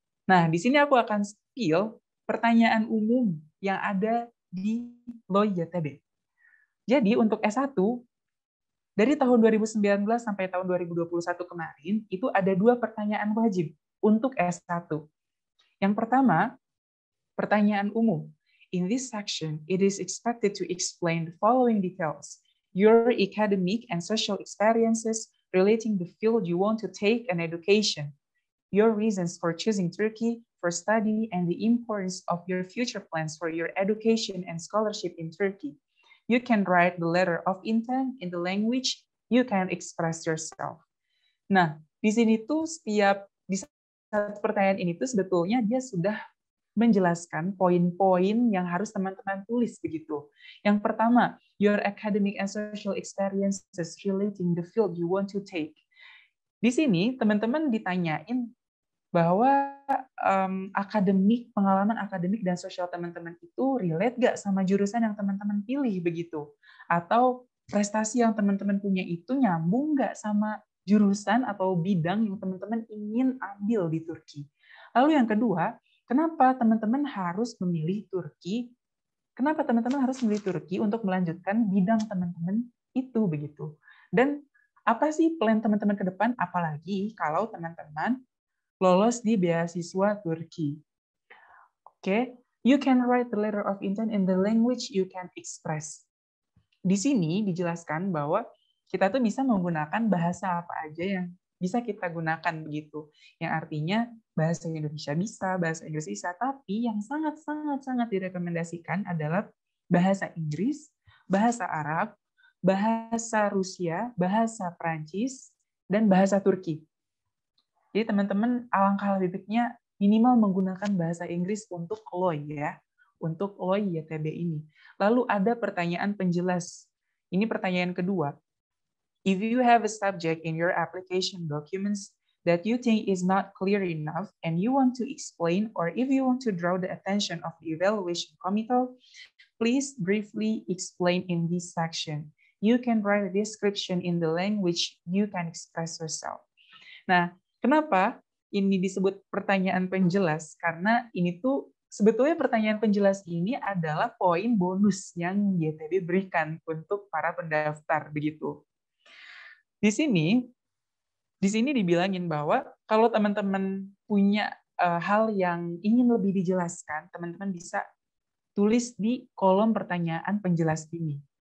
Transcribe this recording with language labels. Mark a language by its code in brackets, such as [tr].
[id] Nah, di sini aku akan spill pertanyaan umum yang ada di LOI YTB. Jadi, untuk S1, dari tahun 2019 sampai tahun 2021 kemarin, itu ada dua pertanyaan wajib untuk S1. Yang pertama, pertanyaan umum. [en] In this section, it is expected to explain the following details: your academic and social experiences relating the field you want to take an education, your reasons for choosing Turkey for study, and the importance of your future plans for your education and scholarship in Turkey. You can write the letter of intent in the language you can express yourself. [id] Nah, di sini tuh setiap di saat pertanyaan ini tuh sebetulnya dia sudah menjelaskan poin-poin yang harus teman-teman tulis begitu. [en] Yang pertama, your academic and social experiences relating the field you want to take. [id] Di sini teman-teman ditanyain bahwa akademik, pengalaman akademik dan sosial teman-teman itu relate gak sama jurusan yang teman-teman pilih begitu? Atau prestasi yang teman-teman punya itu nyambung gak sama jurusan atau bidang yang teman-teman ingin ambil di Turki? Lalu yang kedua, kenapa teman-teman harus memilih Turki Kenapa teman-teman harus memilih Turki untuk melanjutkan bidang teman-teman itu begitu? Dan apa sih plan teman-teman ke depan, apalagi kalau teman-teman lolos di beasiswa Turki? [en] Oke, you can write the letter of intent in the language you can express. [id] Di sini dijelaskan bahwa kita tuh bisa menggunakan bahasa apa aja yang bisa kita gunakan begitu. Yang artinya bahasa Indonesia bisa, bahasa Inggris bisa, tapi yang sangat-sangat-sangat direkomendasikan adalah bahasa Inggris, bahasa Arab, bahasa Rusia, bahasa Prancis, dan bahasa Turki. Jadi teman-teman alangkah lebih baiknya minimal menggunakan bahasa Inggris untuk LOI ya, untuk LOI YTB ini. Lalu ada pertanyaan penjelas. Ini pertanyaan kedua. [en] If you have a subject in your application documents that you think is not clear enough and you want to explain or if you want to draw the attention of the evaluation committee, please briefly explain in this section. You can write a description in the language you can express yourself. [id] Nah, kenapa ini disebut pertanyaan penjelas? Karena ini tuh sebetulnya pertanyaan penjelas ini adalah poin bonus yang YTB berikan untuk para pendaftar begitu. Di sini dibilangin bahwa kalau teman-teman punya hal yang ingin lebih dijelaskan, teman-teman bisa tulis di kolom pertanyaan penjelas ini.